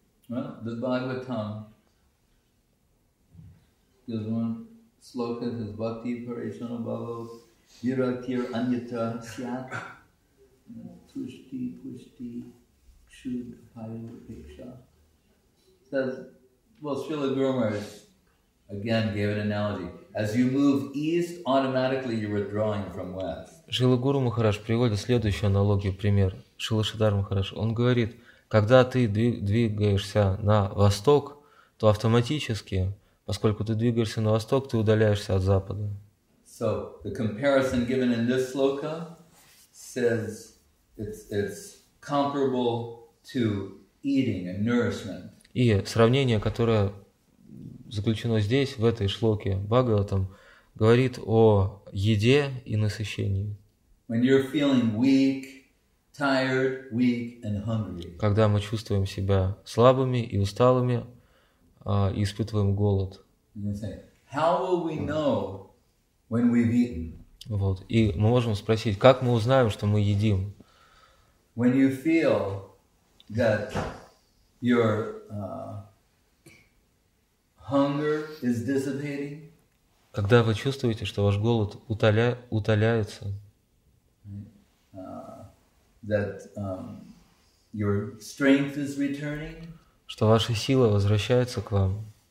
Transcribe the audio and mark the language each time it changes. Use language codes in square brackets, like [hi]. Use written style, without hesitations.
[en] Well, the Bhagavatam is one sloka, is [sa] bhakti parishana bhava viraktir anyata syat tushti pushti kshud hayu piksha. [en] Says, well, Srila Guru Maharaj again gave an analogy. As you move east, automatically you are withdrawing from west. [ru] Srila Guru Maharaj приводит следующую аналогию, пример. Srila Shridhar Maharaj, он говорит, когда ты двигаешься на восток, то автоматически, поскольку ты двигаешься на восток, ты удаляешься от запада. [en] So, the comparison given in this sloka says it's comparable to eating and nourishment. [ru] И сравнение, которое заключено здесь, в этой шлоке Бхагаватам, говорит о еде и насыщении. [en] When you're feeling weak, tired, weak, and hungry. [ru] Когда мы чувствуем себя слабыми и усталыми, и испытываем голод. [en] How will we know when we've eaten? [ru] Вот. И мы можем спросить, как мы узнаем, что мы едим? [en] When you feel that your hunger is dissipating. [ru] Когда вы чувствуете, что ваш голод утоляется? [en] That your strength is returning. [ru] Что ваша сила возвращается к вам.